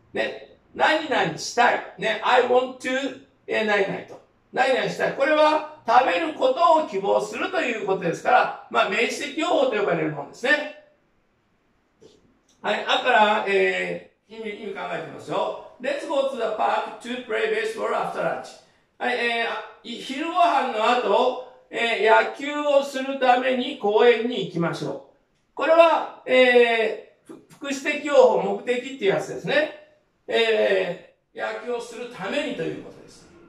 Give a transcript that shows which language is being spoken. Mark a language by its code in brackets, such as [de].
[ja] ね、何々したい。ね、 [en] I want to, [ja] 何々と。何々したい。これは食べることを希望するということですから、まあ、名詞的用法と呼ばれるものですね。はい、あから、意味考えてみますよ。 [en] Let's go to the park to play baseball after lunch. [ja] はい、昼ご飯の後、野球をするために公園に行きましょう。これは、副詞的用法、目的っていうやつですね。野球をするためにということです。